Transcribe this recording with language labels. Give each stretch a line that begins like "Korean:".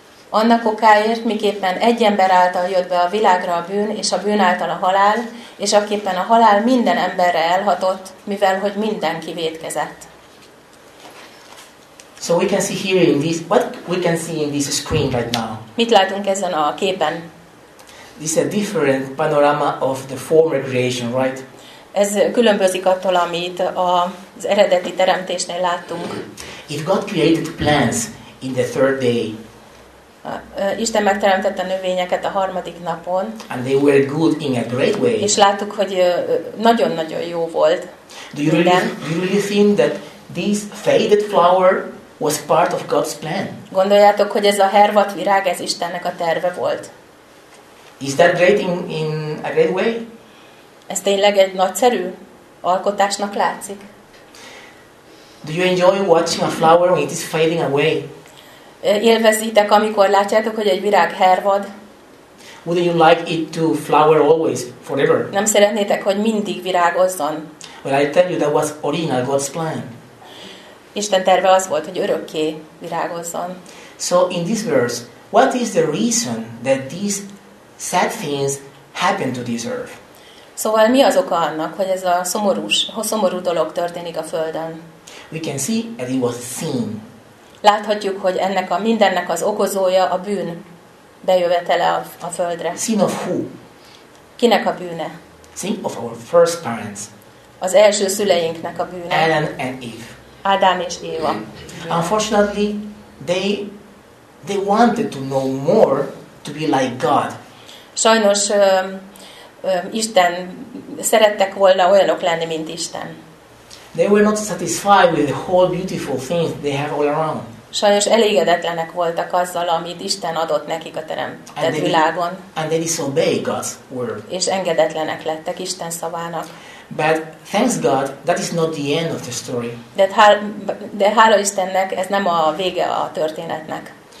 Hungarian: Annak okáért, miképpen egy ember által jött be a világra a bűn, és a bűn által a halál, és aképpen a halál minden emberre elhatott, mivel hogy mindenki vétkezett.
English: So we can see here in this, what we can see in this screen right now.
Hungarian: Mit látunk ezen a képen?
English: This is a different panorama of the former creation, right?
Hungarian: Ez különbözik attól, amit az eredeti teremtésnél láttunk.
English: If God created plants in the third day,
Hungarian: Isten megteremtette a növényeket a harmadik napon,
English: and they were good in a great way,
Hungarian: és láttuk, hogy nagyon-nagyon jó volt.
English: Do you really think that this faded flower was part of God's plan?
Hungarian: Gondoljátok, hogy ez a hervadt virág, ez Istennek a terve volt.
English: Is that great in a great way?
Hungarian: Ez tényleg egy nagyszerű alkotásnak látszik.
English: Do you enjoy watching a flower when it is fading away?
Hungarian: Élvezitek, amikor látjátok, hogy egy virág hervad?
English: Wouldn't you like it to flower always, forever?
Hungarian: Nem szeretnétek, hogy mindig virágozzon?
English: Well, I tell you, that was original God's plan.
Hungarian: Isten terve az volt, hogy örökké virágozzon.
English: So in this verse, what is the reason that these sad things happen to this earth?
Hungarian: Szóval mi az oka annak, hogy ez a szomorú dolog történik a Földön?
English: We can see that it was sin.
Hungarian: Láthatjuk, hogy ennek a mindennek az okozója a bűn bejövetele a Földre.
English: Sin of who?
Hungarian: Kinek a bűne?
English: Sin of our first parents.
Hungarian: Az első szüleinknek a bűne.
English: Adam and Eve.
Hungarian: Ádám és Éva.
English: Unfortunately, they wanted to know more to be like God.
Hungarian: Sajnos Isten szerettek volna olyanok lenni, mint Isten.
English: They were not satisfied with the whole beautiful things they have all around.
Hungarian: Sajnos elégedetlenek voltak azzal, amit Isten adott nekik a teremtett világon.
English: And they disobeyed God's word.
Hungarian: És engedetlenek lettek Isten szavának.
English: But thanks God, that is not the end of the story.
Hungarian: De hála Istennek, ez nem a vége a történetnek.